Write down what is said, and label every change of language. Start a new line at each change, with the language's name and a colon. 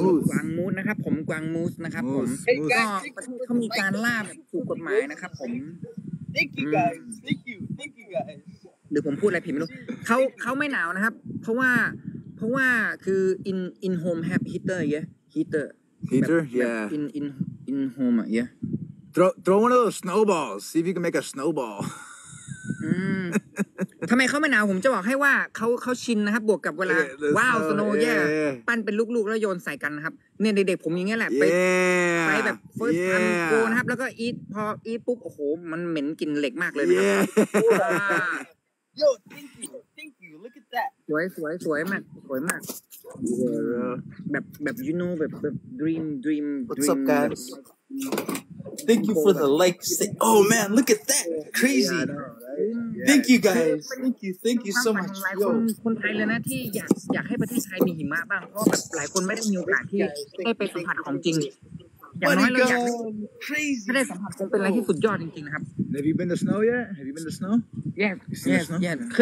Thai: กวางมูสนะครับผมกวางมูสนะครับผมก็เขามีการล่าถูกกฎหมายนะครับผม
English: Thank you guys.
Thai: เดี๋ยวผมพูดอะไรผิดไม่รู้ เขาไม่หนาวนะครับเพราะว่าคือ
English: in home have heater yeah heater แบบ yeah in home yeah throw one of those snowballs see if you can make a snowball
Thai: ทำไมเขาไม่หนาวผมจะบอกให้ว่าเขาชินนะครับบวกกับเวลาว้าว
English: snow yeah
Thai: ปั้นเป็นลูกๆแล้วโยนใส่กันนะครับเนี่ยเด็กๆผมอย่างเงี้ยแหละไปแบบ
English: first time go
Thai: นะครับแล้วก็อีทปุ๊บโอ้โหมันเหม็นกลิ่นเหล็กมากเลยนะครับ
English: Yo thank you look at that
Thai: สวยมากสวยมากแบบ
English: you know
Thai: แบบ dream
English: What's up guys Thank you for the likes Oh man look at that crazy yeah, no. Thank you guys. Thank you so much.
Thai: คนไทยเลยนะที่อยากให้ประเทศไทยมีหิมะบ้างเพราะแบบหลายคนไม่ได้มีโอกาสที่ได้ไปสัมผัสของจริงอย่างน้อยเราอยากได้สัมผัสคงเป็นอะไรที่สุดยอดจริงๆนะครับ
English: Have you been to snow yet? Have you been to snow? Yes.